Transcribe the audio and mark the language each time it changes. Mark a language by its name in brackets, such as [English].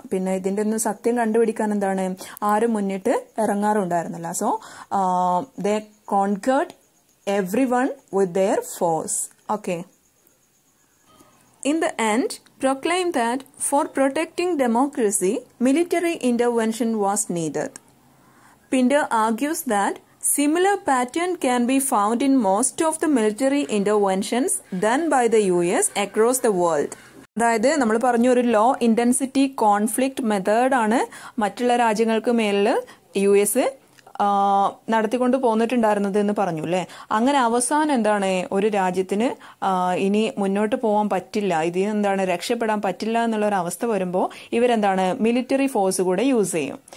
[Malayalam] പിന്നെ ഇതിന്റെ ഒന്നും സത്യം കണ്ടുപിടിക്കാൻ എന്താണ് ആരും മുന്നിട്ട് ഇറങ്ങാറുണ്ടായിരുന്നില്ല. [English] So they conquered every one with their force. Okay, in the end proclaim that for protecting democracy military intervention was needed. Pinter argues that Similar pattern can be found in most of the military interventions done by the US across the world. [Malayalam] അതായത് നമ്മൾ പറഞ്ഞു ഒരു law intensity conflict മെത്തേഡാണ് മറ്റുള്ള രാജ്യങ്ങൾക്ക് മേലിൽ US നടത്തിക്കൊണ്ട് പോന്നിട്ടുണ്ടായിരുന്നത് എന്ന് പറഞ്ഞു അല്ലേ. അങ്ങനെ അവസാനം എന്താണ് ഒരു രാജ്യത്തിന് ഇനി മുന്നോട്ട് പോകാൻ പറ്റില്ല, ഇതിൽ നിന്ന് എന്താണ് രക്ഷപ്പെടാൻ പറ്റില്ല എന്നുള്ള ഒരു അവസ്ഥ വരുമ്പോൾ ഇവരെന്താണ് മിലിറ്ററി ഫോഴ്സ് കൂടെ യൂസ് ചെയ്യും.